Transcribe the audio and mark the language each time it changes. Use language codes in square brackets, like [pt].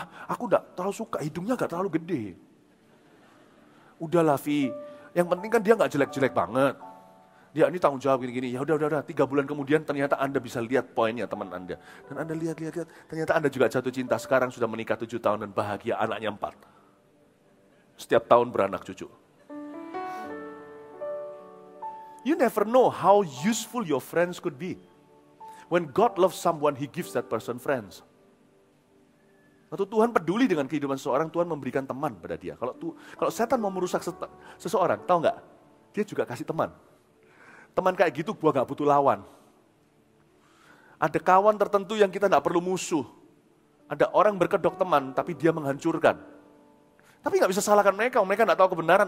[id] Aku gak terlalu suka, hidungnya gak terlalu gede. Udahlah Vi, yang penting kan dia gak jelek-jelek banget. Dia ini tanggung jawab gini-gini, yaudah, 3 bulan kemudian ternyata Anda bisa lihat poinnya teman Anda. Dan Anda lihat, ternyata Anda juga jatuh cinta, sekarang sudah menikah 7 tahun dan bahagia, anaknya 4. Setiap tahun beranak cucu. [en] You never know how useful your friends could be. When God loves someone, He gives that person friends. [id] Waktu Tuhan peduli dengan kehidupan seseorang, Tuhan memberikan teman pada dia. Kalau setan mau merusak seseorang, tahu gak? Dia juga kasih teman. Teman kayak gitu gua gak butuh lawan. Ada kawan tertentu yang kita gak perlu musuh. Ada orang berkedok teman, tapi dia menghancurkan. Tapi gak bisa salahkan mereka, mereka gak tahu kebenaran.